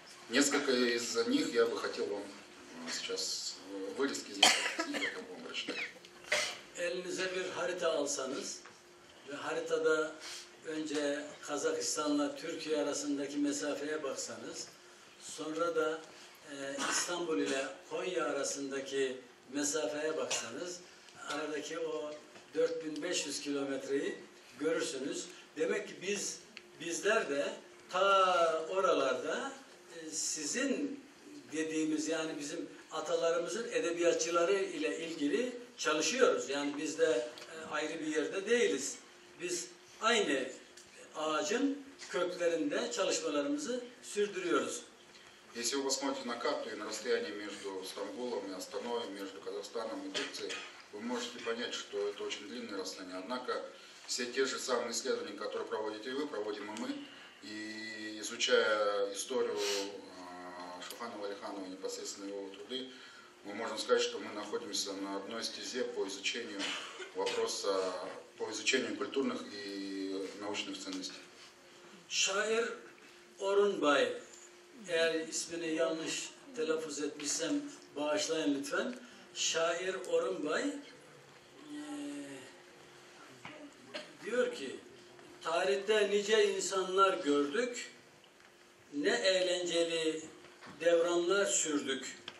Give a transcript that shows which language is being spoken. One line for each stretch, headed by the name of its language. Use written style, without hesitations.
Russian: Несколько из них я бы хотел вам сейчас вырезки из них прочитать.
Turkish: Elinize bir harita alsanız ve haritada önce Kazakistan'la Türkiye arasındaki mesafeye baksanız, sonra da İstanbul ile Konya arasındaki mesafeye baksanız, aradaki o 4500 kilometreyi görürsünüz. Demek ki bizler de ta oralarda sizin dediğimiz yani bizim atalarımızın edebiyatçıları ile ilgili çalışıyoruz. Yani biz de ayrı bir yerde değiliz. Biz aynı ağacın köklerinde çalışmalarımızı sürdürüyoruz.
Russian: Если вы посмотрите на карту и на расстояние между Стамбулом и Астаной, между Казахстаном и Турцией, вы можете понять, что это очень длинное расстояние. Однако все те же самые исследования, которые проводите вы, проводим и мы. И изучая историю Шохана Валиханова и непосредственно его труды, мы можем сказать, что мы находимся на одной стезе по изучению вопроса, по изучению культурных и научных ценностей.
Turkish: Шаир Орунбай, eğer ismini yanlış telaffuz etmişsem bağışlayın lütfen. Şair Orunbay diyor ki, tarihte nice insanlar gördük, ne eğlenceli devranlar sürdük.